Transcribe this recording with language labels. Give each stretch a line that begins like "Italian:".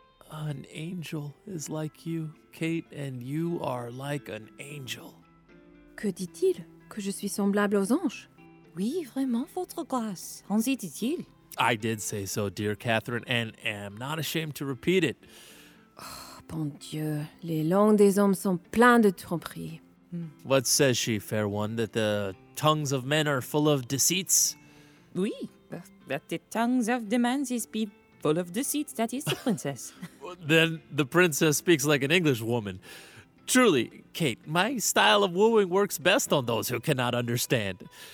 English: An angel is like you, Kate, and you are like an angel.
French: Que dit-il? Que je suis semblable aux anges? Oui, vraiment, votre grâce. En dit-il?
English: I did say so, dear Catherine, and am not ashamed to repeat it.
French: Oh, bon Dieu, les langues des hommes sont pleines de tromperies.
English: What says she, fair one, that the tongues of men are full of deceits?
French: Oui,
English: that the tongues of demands is be full of deceits, that is the princess. Then the princess speaks like an English woman. Truly, Kate, my style of wooing works best on those who cannot understand.